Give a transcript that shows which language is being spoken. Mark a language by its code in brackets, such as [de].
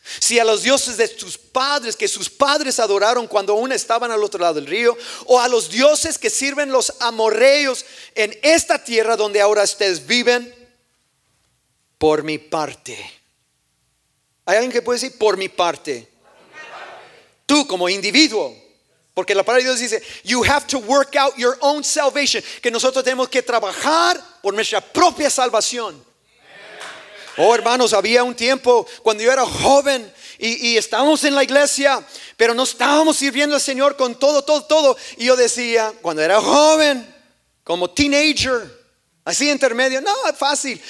[es] Si a los dioses de sus padres, que sus padres adoraron cuando aún estaban al otro lado del río, o a los dioses que sirven los amorreos en esta tierra donde ahora ustedes viven, por mi parte. ¿Hay alguien que puede decir por mi parte? Tú como individuo. Porque la palabra de Dios dice, [en] you have to work out your own salvation. [es] Que nosotros tenemos que trabajar por nuestra propia salvación. Oh, hermanos, había un tiempo cuando yo era joven y estábamos en la iglesia, pero no estábamos sirviendo al Señor con todo. Y yo decía, cuando era joven, como teenager, así intermedio, no, fácil.